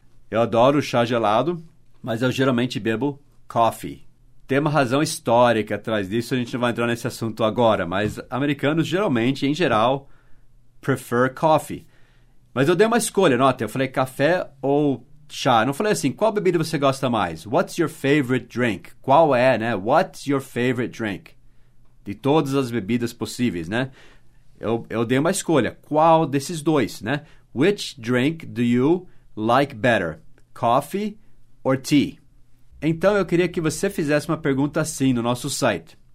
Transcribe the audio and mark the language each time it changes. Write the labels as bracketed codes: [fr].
[pt] Eu adoro chá gelado, mas eu geralmente bebo coffee. Tem uma razão histórica atrás disso, a gente não vai entrar nesse assunto agora, mas americanos geralmente, em geral, [en] prefer coffee. [pt] Mas eu dei uma escolha, nota, eu falei café ou chá. Eu não falei assim, qual bebida você gosta mais? [en] What's your favorite drink? [pt] Qual é, né? [en] What's your favorite drink? [pt] De todas as bebidas possíveis, né? Eu dei uma escolha, qual desses 2, né? [en] Which drink do you like better? Coffee or tea? [pt] Então, eu queria que você fizesse uma pergunta assim no nosso site.